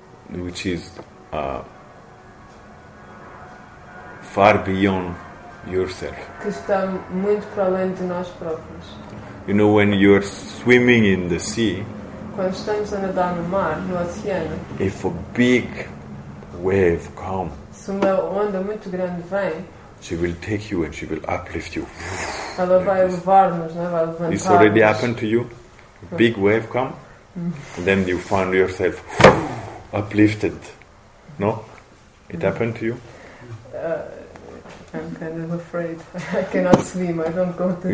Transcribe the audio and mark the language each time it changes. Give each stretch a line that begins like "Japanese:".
English: which is far beyond yourself.
Portuguese: Que está muito para além de nós próprios.
English: You know, when you are swimming in the sea,
Portuguese: quando estamos a nadar no mar, no oceano,
English: if a big wave comes,
Portuguese: se uma onda muito grande vem,
English: she will take you and she will uplift you.
Portuguese: Ela vai levar-nos, né? Vai levantar-nos.
English: This already happened to you? A big wave come, and then you find yourself uplifted. No? It happened to you? I'm kind of afraid. I cannot swim. I don't go to the